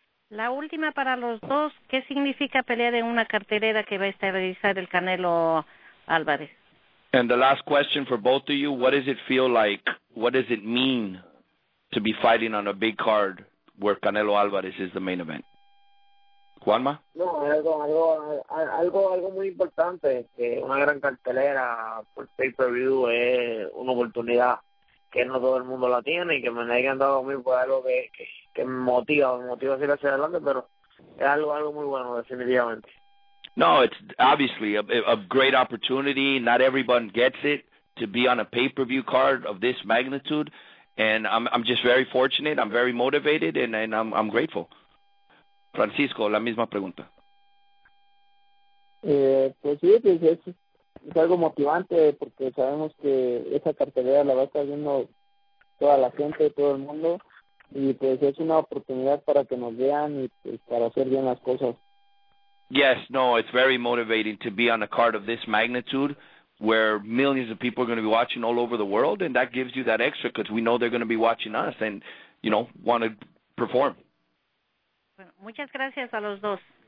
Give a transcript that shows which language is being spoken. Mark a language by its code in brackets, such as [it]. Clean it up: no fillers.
[es] La última para los dos, ¿qué significa pelear en una cartelera que va a estabilizar el Canelo Álvarez? [en] And the last question for both of you, what does it feel like, what does it mean to be fighting on a big card where Canelo Álvarez is the main event? Juanma? [es] No, algo muy importante, que una gran cartelera por pay-per-view es una oportunidad que no todo el mundo la tiene y que me hayan dado a mí pues algo que me motiva a seguir hacia adelante, pero es algo muy bueno, definitivamente. [en] No, it's obviously a great opportunity. Not everyone gets it to be on a pay-per-view card of this magnitude, and I'm just very fortunate. I'm very motivated, and I'm grateful. Francisco, [es] la misma pregunta. Pues sí, pues es algo motivante porque sabemos que esa cartelera la va a estar viendo toda la gente, todo el mundo. Y pues es una oportunidad para que nos vean y pues para hacer bien las cosas. [en] Yes, no, it's very motivating to be on a card of this magnitude where millions of people are going to be watching all over the world, and that gives you that extra because we know they're going to be watching us and, you know, want to perform. [es] Bueno, muchas gracias a los dos.